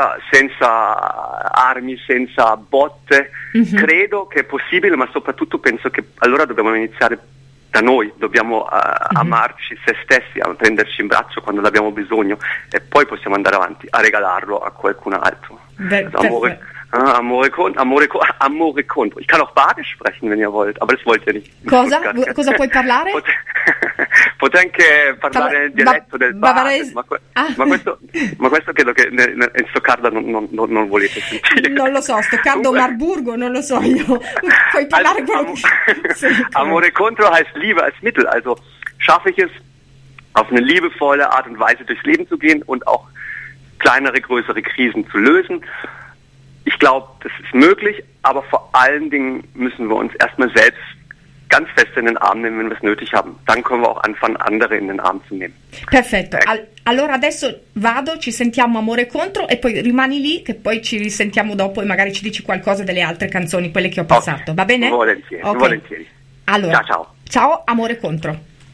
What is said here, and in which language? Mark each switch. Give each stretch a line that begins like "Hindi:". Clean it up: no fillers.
Italian: senza armi, senza botte, mm-hmm. credo che è possibile, ma soprattutto penso che allora dobbiamo iniziare da noi, dobbiamo mm-hmm. amarci se stessi, a prenderci in braccio quando l'abbiamo bisogno, e poi possiamo andare avanti a regalarlo a qualcun altro. Amore Contro.
German: Ich kann auch Badisch sprechen, wenn ihr wollt, aber das wollt ihr nicht.
Italian: Cosa puoi parlare? Potrei anche parlare nel dialetto del bavarese, ma questo credo che in Stoccarda non volete sentire. Non lo so, Stoccarda o Marburgo, non lo so io. Puoi parlare quello che...
German: Amore Contro heißt Liebe als Mittel. Also schaffe ich es, auf eine liebevolle Art und Weise durchs Leben zu gehen und auch kleinere, größere Krisen zu lösen. Ich glaube, das ist möglich, aber vor allen Dingen müssen wir uns erstmal selbst ganz fest in den Arm nehmen, wenn wir es nötig haben. Dann können wir auch anfangen, andere in den Arm zu nehmen.
Italian: Perfetto. Allora adesso vado, ci sentiamo Amore Contro e poi rimani lì, che poi ci risentiamo dopo e magari ci dici qualcosa delle altre canzoni, quelle che ho passato, okay. Va bene? Volentieri, okay. Volentieri. Allora, ciao. Ciao, Amore Contro.